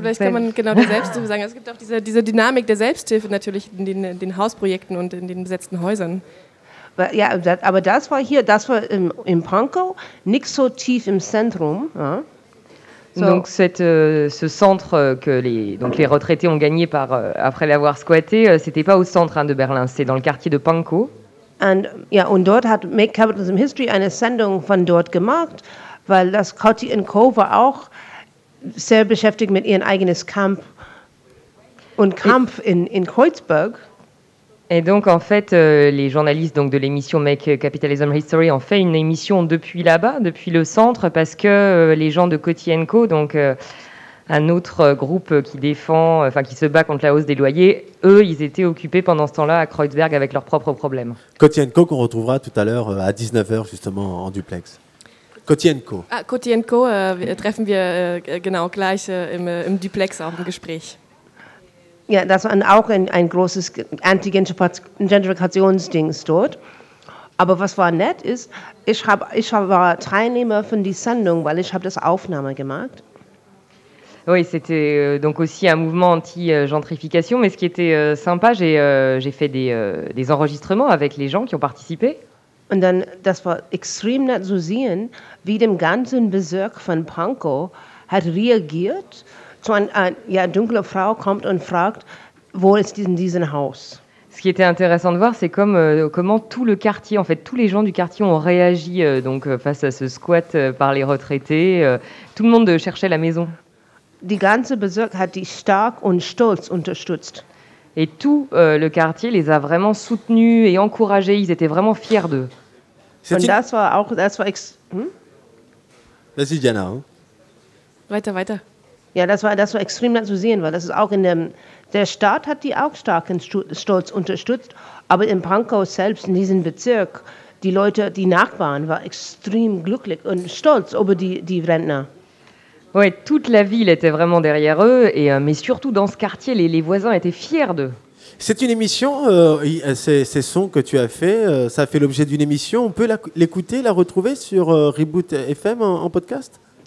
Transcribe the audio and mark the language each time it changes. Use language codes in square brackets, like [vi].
[de] Vielleicht kann man genau die Selbsthilfe sagen. Es gibt auch diese Dynamik der Selbsthilfe natürlich in den Hausprojekten und in den besetzten Häusern. Ja, aber das war hier, das war im Pankow, nicht so tief im Zentrum. Ja. So. [fr] Donc ce centre que les retraités ont gagné après l'avoir squatté, c'était pas au centre hein, de Berlin, c'est dans le quartier de Pankow. [de] Und dort hat Make Capitalism History eine Sendung von dort gemacht, weil das Kotti & Co. war auch sehr beschäftigt mit ihrem eigenen Camp und Kampf in Kreuzberg. [fr] Et donc en fait, les journalistes donc de l'émission Make Capitalism History ont fait une émission depuis là-bas, depuis le centre, parce que les gens de Kotti & Co., donc un autre groupe qui défend, enfin qui se bat contre la hausse des loyers, eux, ils étaient occupés pendant ce temps-là à Kreuzberg avec leurs propres problèmes. Kotti & Co. qu'on retrouvera tout à l'heure à 19h justement en duplex. Kotti & Co. Ah, Kotti & Co. [de] Treffen wir genau gleich im duplex auch im Gespräch. Ja, das war auch ein großes Anti-Gentrifikations-Dings dort. Aber was war nett ist, ich war Teilnehmer von der Sendung, weil ich habe das Aufnahme gemacht. [fr] Oui, c'était donc aussi un mouvement anti-gentrification. Mais ce qui était sympa, j'ai fait des enregistrements avec les gens qui ont participé. [de] Und dann, das war extrem nett zu sehen, wie dem ganzen Bezirk von Pankow hat reagiert. So eine dunkle Frau kommt und fragt, wo ist diesen Haus? [fr] Ce qui était intéressant de voir, c'est comment tout le quartier, en fait, tous les gens du quartier ont réagi face à ce squat par les retraités. Tout le monde cherchait la maison. [de] Die ganze Bezirk hat die stark und stolz unterstützt. [fr] Et tout le quartier les a vraiment soutenus et encouragés. Ils étaient vraiment fiers d'eux. Vas-y, Diana. Hein. [de] Weiter. Ja, das war extrem nett zu sehen, weil das ist auch in dem, der Staat hat die auch stark in Stolz unterstützt, aber in Pankow selbst, in diesem Bezirk, die Leute, die Nachbarn, war extrem glücklich und stolz über die Rentner. [fr] Oui, toute la ville était vraiment derrière eux, et, mais surtout dans ce quartier, les voisins étaient fiers d'eux. C'est une émission, ces sons que tu as fait, ça a fait l'objet d'une émission, on peut l'écouter, la retrouver sur Reboot FM en podcast?